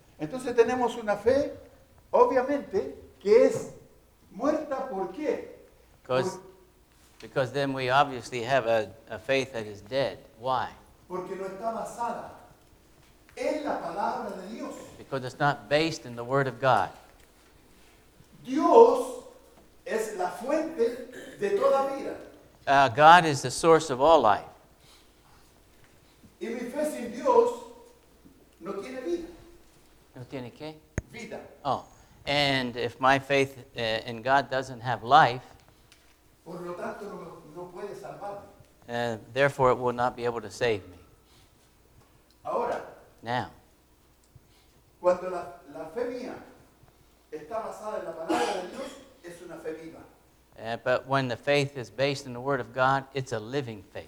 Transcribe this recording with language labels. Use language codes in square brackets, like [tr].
[es] Entonces tenemos una fe, obviamente, que es muerta. ¿Por qué? [en] Because then we obviously have a faith that is dead. Why? [es] Porque no está basada en la palabra de Dios. [en] Because it's not based in the word of God. [es] Dios es la fuente de toda vida. [en] God is the source of all life. [es] Y mi fe sin Dios no tiene vida. No tiene qué? Vida. [en] Oh, and if my faith in God doesn't have life, [es] por lo tanto, no puede salvarme. [en] Therefore, it will not be able to save me. [es] Ahora, [en] now, [es] cuando la fe mía está basada en la palabra de Dios, es una fe viva. [en] But when the faith is based in the word of God, it's a living faith.